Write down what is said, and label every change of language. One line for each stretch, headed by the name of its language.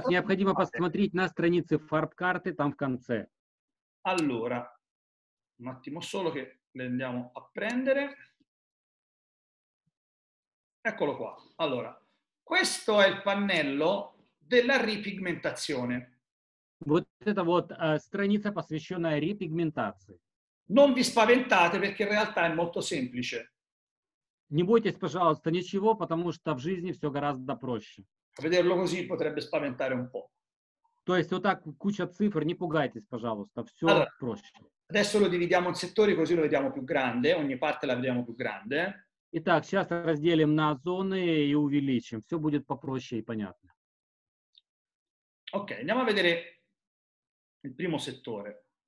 Russian: Итак, необходимо посмотреть на страницы фарб-карты там в конце.
Italian: Allora. Un attimo solo che le andiamo a prendere. Eccolo qua. Allora, questo è il pannello della ripigmentazione. Questa
Russian: страница посвящена ripigmentazione.
Italian: Non vi spaventate perché in realtà è molto semplice.
Russian: Не бойтесь, пожалуйста, ничего, потому что в жизни все гораздо проще.
Italian: Vederlo così potrebbe spaventare un po'.
Russian: То есть вот так куча цифр, не пугайтесь, пожалуйста, все allora, проще.
Italian: Adesso lo dividiamo in settori così lo vediamo più grande, ogni parte la vediamo più grande.
Russian: Итак, сейчас разделим на зоны и увеличим, все будет попроще и понятно.
Italian: Ok, andiamo a vedere il primo settore.